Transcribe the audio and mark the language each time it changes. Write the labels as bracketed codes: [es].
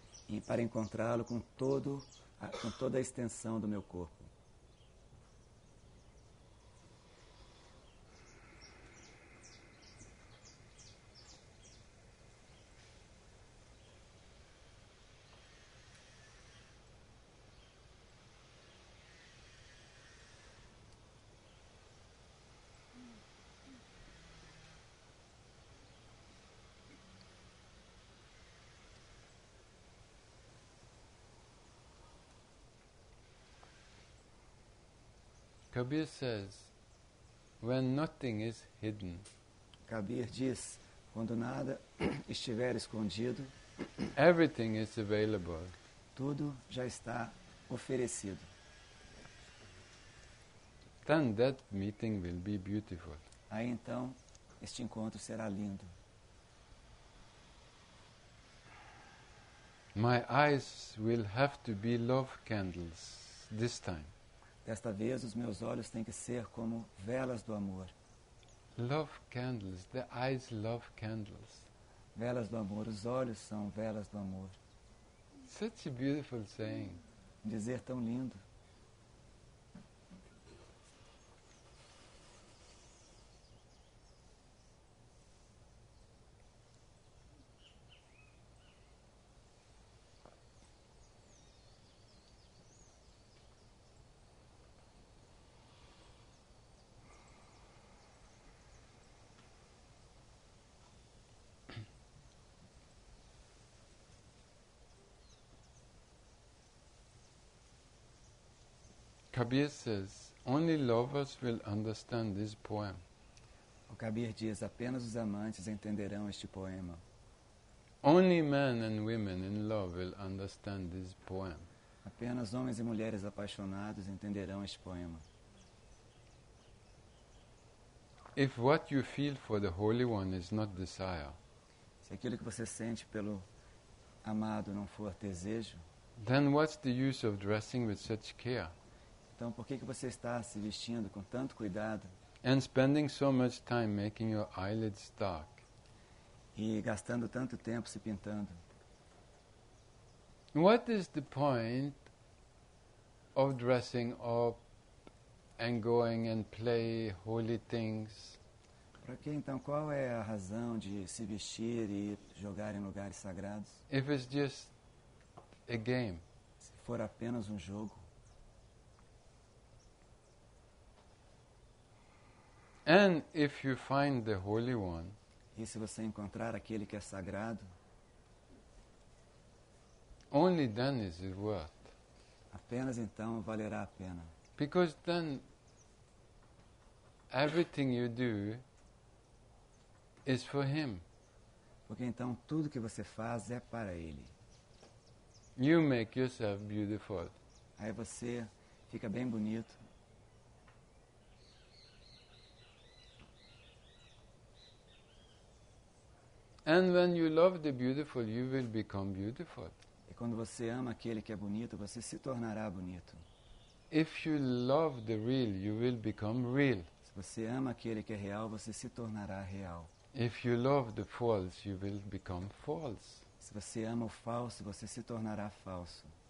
[pt] E para encontrá-lo com toda a extensão do meu corpo. [en] Kabir says, when nothing is hidden, [pt] Kabir diz, quando nada estiver escondido, [en] everything is available. [pt] Tudo já está oferecido. [en] Then that meeting will be beautiful. [pt] Aí então, este encontro será lindo. [en] My eyes will have to be love candles this time. [pt] Desta vez, os meus olhos têm que ser como velas do amor. [en] Love candles, the eyes love candles. [pt] Velas do amor, os olhos são velas do amor. [en] Such a beautiful saying. [pt] Dizer tão lindo. [en] Kabir says, only lovers will understand this poem. [pt] O Kabir diz, apenas os amantes entenderão este poema. [en] Only men and women in love will understand this poem. [pt] Apenas homens e mulheres apaixonados entenderão este poema. [en] If what you feel for the Holy One is not desire, [pt] se aquilo que você sente pelo amado não for desejo, [en] then what's the use of dressing with such care? [pt] Então, por que que você está se vestindo com tanto cuidado? [en] And spending so much time making your eyelids dark. [pt] E gastando tanto tempo se pintando. [en] What is the point of dressing up and going and play holy things? [pt] Para que então, qual é a razão de se vestir e jogar em lugares sagrados? [en] If it's just a game. [pt] Se for apenas jogo. [en] And if you find the Holy One, [pt] e se você encontrar aquele que é sagrado, [en] only then is it worth. [pt] Apenas então valerá a pena. [en] Because then everything you do is for him. [pt] Porque então tudo que você faz é para ele. [en] You make yourself beautiful. [pt] Aí você fica bem bonito. [en] And when you love the beautiful, you will become beautiful. [pt] E quando você ama aquele que é bonito, você se tornará bonito. [en] If you love the real, you will become real. [pt] Se você ama aquele que é real, você se tornará real. [en] If you love the false, you will become false. [pt] Se você ama o falso, você se tornará falso.